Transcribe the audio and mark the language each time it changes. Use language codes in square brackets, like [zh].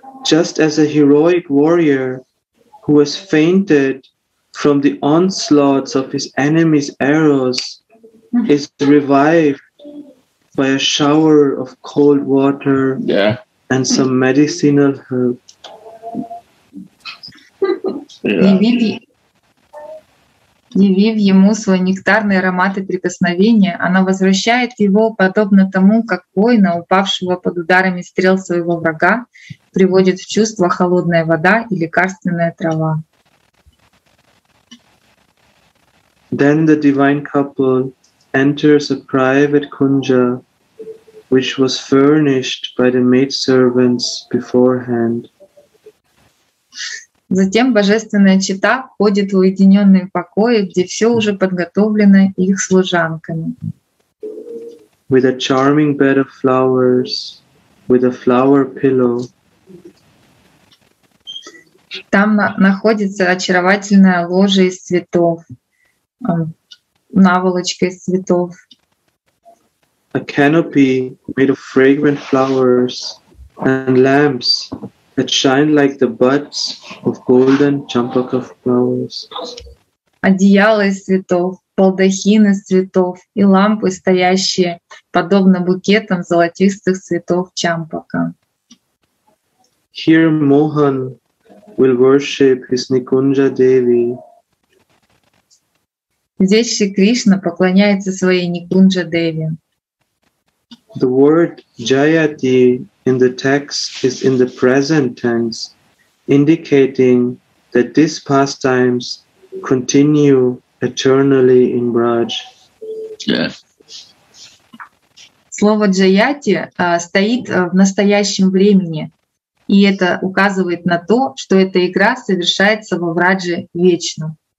[en] Just as a heroic warrior who has fainted from the onslaughts of his enemy's arrows is revived by a shower of cold water and some medicinal herb. [ru] Явив ему свой нектарный аромат и прикосновение, она возвращает его, подобно тому, как воина, упавшего под ударами стрел своего врага, приводит в чувство холодная вода и лекарственная трава. [en] Then the divine couple enters a private kunja, which was furnished by the maidservants beforehand. [ru] Затем божественная чита входит в уединенные покои, где все уже подготовлено их служанками. [en] With a charming bed of flowers, with a flower pillow. [ru] Там находится очаровательная ложа из цветов, наволочка из цветов. [en] A canopy made of fragrant flowers and lamps that shine like the buds of golden champaka flowers. [ru] Одеяло из цветов, балдахин из цветов и лампы, стоящие подобно букетам золотистых цветов чампака. [en] Here Mohan will worship his Nikunja Devi. [ru] Здесь Шри Кришна поклоняется своей Никунджа Деви. [en] The word Jayati in the text is in the present tense, indicating that these pastimes continue eternally in Braj. Yes. [ru] Слово Jayati стоит в настоящем времени, и это указывает на то, что эта игра совершается во Врадже вечно.